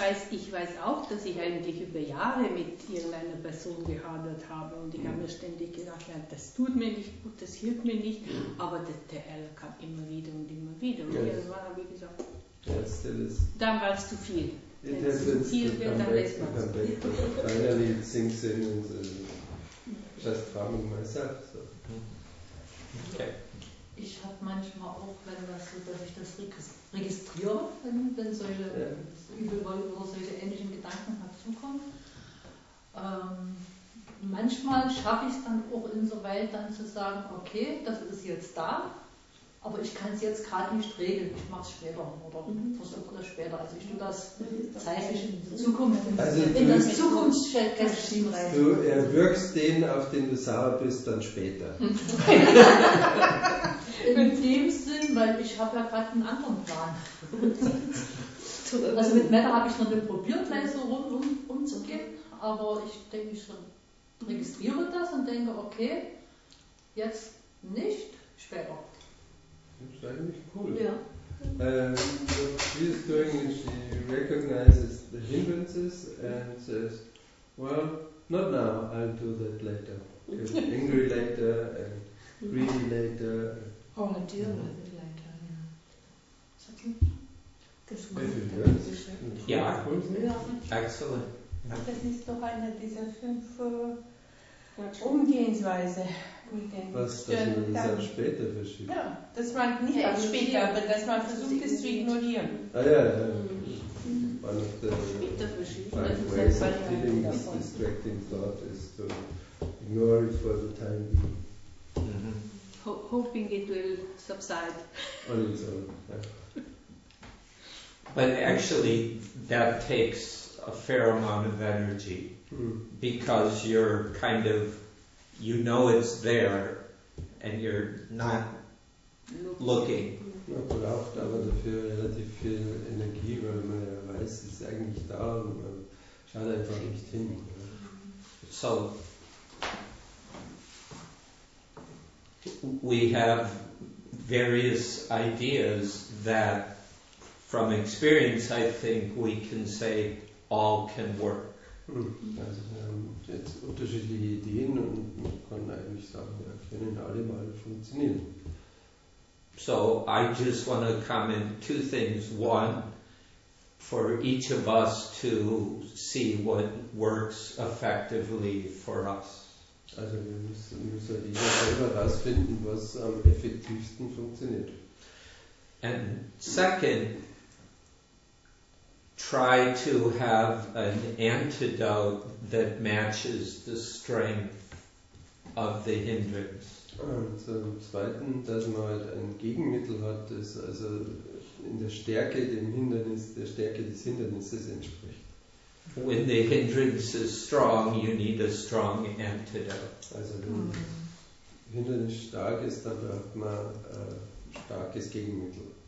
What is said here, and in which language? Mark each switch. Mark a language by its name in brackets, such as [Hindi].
[German] ich weiß auch, dass ich eigentlich über Jahre mit irgendeiner Person gehadert habe und ich habe mir ständig gedacht, das tut mir nicht gut, das hilft mir nicht, aber der Ärger kam immer wieder und immer wieder. Und irgendwann habe ich gesagt, dann war es zu viel. Wenn es zu viel wird, dann lässt man es. [English] Finally it sinks in and just farming myself. So. Okay. [German] Ich habe manchmal auch, wenn das so, dass ich das registriere, wenn solche Übelwollen oder solche ähnlichen Gedanken dazukommen. Manchmal schaffe ich es dann auch insoweit dann zu sagen, okay, das ist jetzt da. Aber ich kann es jetzt gerade nicht regeln, ich mache es später oder versuche das später. Also ich tue das zeitlich in die Zukunft, in das Zukunftsschädchen rein. Du erwürgst den, auf den du sauer bist, dann später. In dem Sinn, weil ich habe ja gerade einen anderen Plan. Also mit Meta habe ich noch nicht probiert, gleich so rum umzugehen, aber ich denke, ich registriere das und denke, okay, jetzt nicht, später. [English] It's [German] eigentlich [English] cool. Yeah. What she is doing is she recognizes the hindrances and says, well, not now, I'll do that later. Get angry later and greedy later. Oh, I deal with it later, yeah. Maybe it works. Yeah, excellent. [German] Das ist doch einer dieser fünf Umgehensweise. Was, dass man das auch später verschiebt? Ja, dass man nicht erst später, aber dass man versucht, es zu ignorieren. [English] Ah ja, ja. One of the ways of dealing with distracting thought is to ignore it for the time being. Mm-hmm. Hoping it will subside. On its own, yeah. But actually, that takes a fair amount of energy. Because you're kind of, you know it's there, and you're not looking. [German] Man braucht aber dafür relativ viel Energie, weil man ja weiß, es ist eigentlich da, und man schaut einfach nicht hin. [English] So, we have various ideas that, from experience, I think we can say all can work. [German] Also wir haben jetzt unterschiedliche Ideen und man kann eigentlich sagen, ja, können alle mal funktionieren. [English] So, I just want to comment two things. One, for each of us to see what works effectively for us. [German] Also wir müssen jeder selber herausfinden, was am effektivsten funktioniert. [English] And second, try to have an antidote that matches the strength of the hindrance. [German] Und zum Zweiten, dass man halt ein Gegenmittel hat, das also in der Stärke dem Hindernis, der Stärke des Hindernisses entspricht. [English] When the hindrance is strong, you need a strong antidote. [German] Also wenn das Hindernis stark ist, dann braucht man ein starkes Gegenmittel.